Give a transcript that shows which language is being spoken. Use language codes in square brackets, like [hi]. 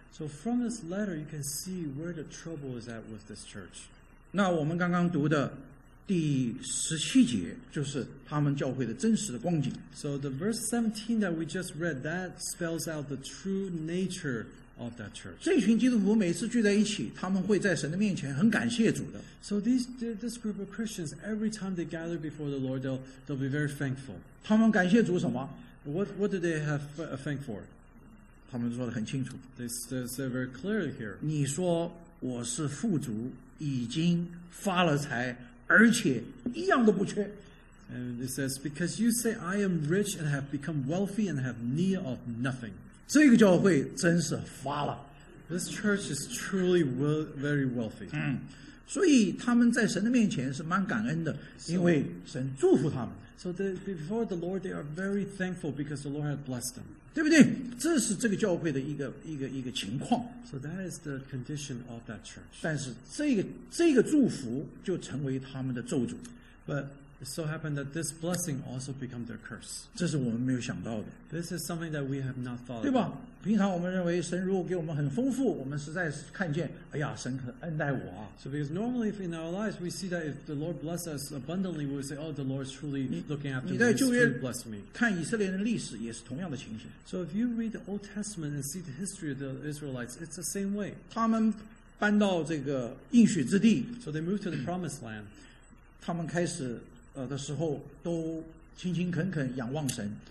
[en] So from this letter, you can see where the trouble is at with this church. [zh] 那我们刚刚读的第十七节就是他们教会的真实的光景。 [en] So the verse 17 that we just read, that spells out the true nature of that church. [zh] 这群基督徒每次聚在一起，他们会在神的面前很感谢主的。 [en] So this group of Christians, every time they gather before the Lord, they'll be very thankful. [zh] 他们感谢主什么？ [en] What do they have a thank for? [zh] 他们说得很清楚。 [en] They say very clearly here. [zh] 你说我是富足，已经发了财，而且一样都不缺。 [en] And it says, because you say I am rich and have become wealthy and have need of nothing. [zh] 这个教会真是发了。 [en] This church is truly very wealthy. [zh] 所以他们在神的面前是蛮感恩的，因为神祝福他们。 [en] So before the Lord, they are very thankful because the Lord had blessed them. [zh] 对不对？这是这个教会的一个情况。 [en] So that is the condition of that church. [zh] 但是这个祝福就成为他们的咒诅。 [en] But it so happened that this blessing also became their curse. [zh] 这是我们没有想到的。 [en] This is something that we have not thought of. [zh] 对吧？平常我们认为神如果给我们很丰富，我们实在是看见，哎呀，神可恩待我啊。 [en] So because normally if in our lives we see that if the Lord blesses us abundantly, we say, oh, the Lord is truly looking after me. [zh] 你在旧约 [en] bless me. [zh] 看以色列的历史也是同样的情形。 [en] So if you read the Old Testament and see the history of the Israelites, it's the same way. [zh] 他们搬到这个应许之地。 [en] So they moved to the promised land. [zh] 他们开始的时候都勤勤恳恳仰望神。